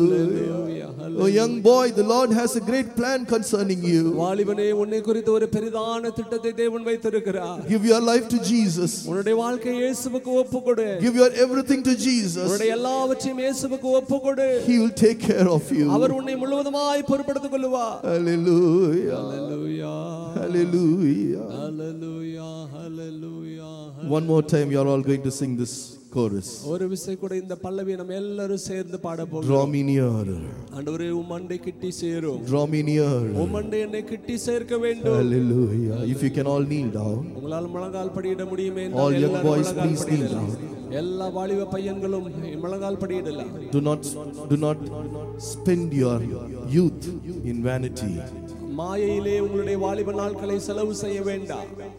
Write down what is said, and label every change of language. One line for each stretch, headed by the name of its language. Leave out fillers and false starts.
English: Hallelujah. Oh young boy, the Lord has a great plan concerning you.
Tamil: வாலிபனே, உன்னை குறித்து ஒரு பெரிதான திட்டத்தை தேவன் வைத்திருக்கிறார்.
English: Give your life to Jesus.
Tamil: உன்னுடைய வாழ்க்கையை இயேசுவுக்கு ஒப்புக்கொடு.
English: Give your everything to Jesus.
Tamil: உன்னுடைய எல்லாவற்றையும் இயேசுவுக்கு ஒப்புக்கொடு.
English: He will take care of you.
Tamil: அவர் உன்னை முழுவதுமாய் பொறுப்பெடுத்துக் கொள்வார்.
English: Hallelujah. Hallelujah. Hallelujah. Hallelujah. One more time, you are all going to sing this chorus.
Tamil: ஒரு விசை கூட இந்த பல்லவி நம்ம எல்லாரும் சேர்ந்து பாட போறோம்.
English: Draw me near.
Tamil: ஆண்டவரே, உம் மண்டை கிட்டி சேரும்.
English: Draw me near.
Tamil: உம் மண்டை என்னை கிட்டி சேர்க்க வேண்டும்.
English: Hallelujah. If you can all kneel down.
Tamil: உங்களால் முழங்கால் படியிட முடியுமே?
English: All young boys, please kneel down.
Tamil: எல்லா வாலிப பையன்களும் முழங்கால் படியிடலாம்.
English: Do not spend your youth in vanity.
Tamil: மாயையிலே உங்களுடைய வாலிப நாட்களை செலவு செய்ய வேண்டாம்.